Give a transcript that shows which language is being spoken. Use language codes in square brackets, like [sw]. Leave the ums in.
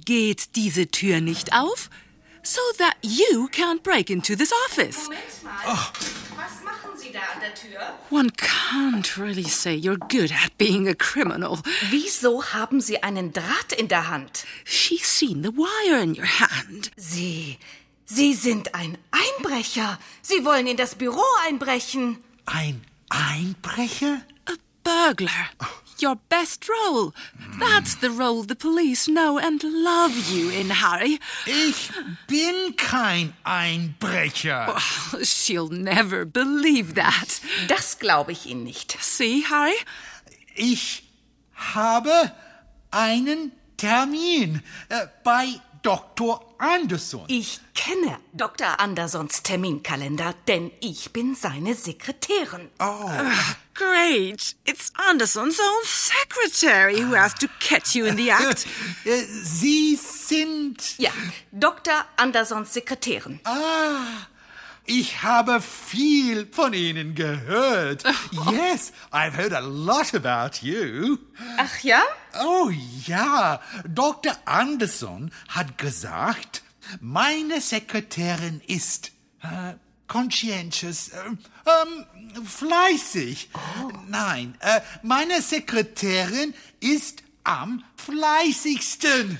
[de] geht diese Tür nicht auf? [en] So that you can't break into this office. [de] Moment mal. Oh. Was machen Sie da an der Tür? [en] One can't really say you're good at being a criminal. [de] Wieso haben Sie einen Draht in der Hand? Sie sehen [en] the wire in your hand. [de] Sie. Sie sind ein Einbrecher. Sie wollen in das Büro einbrechen. Ein Einbrecher? burglar. [en] Your best role. That's the role the police know and love you in, Harry. [de] Ich bin kein Einbrecher. [en] she'll never believe that. [de] Das glaube ich Ihnen nicht. [en] See, Harry? [de] Ich habe einen Termin uh, bei Dr. Anderson. Ich kenne Dr. Andersons Terminkalender, denn ich bin seine Sekretärin. [en] Oh. Ugh, great. It's Anderson's own secretary ah. who has to catch you in the act. [de] Sie sind. Ja, Dr. Andersons Sekretärin. Ah. Ich habe viel von Ihnen gehört. [en] Yes, I've heard a lot about you. [de] Ach ja? Oh ja, Dr. Anderson hat gesagt, meine Sekretärin ist äh, uh, conscientious, ähm, uh, um, fleißig. Oh. Nein, äh, uh, meine Sekretärin ist am fleißigsten.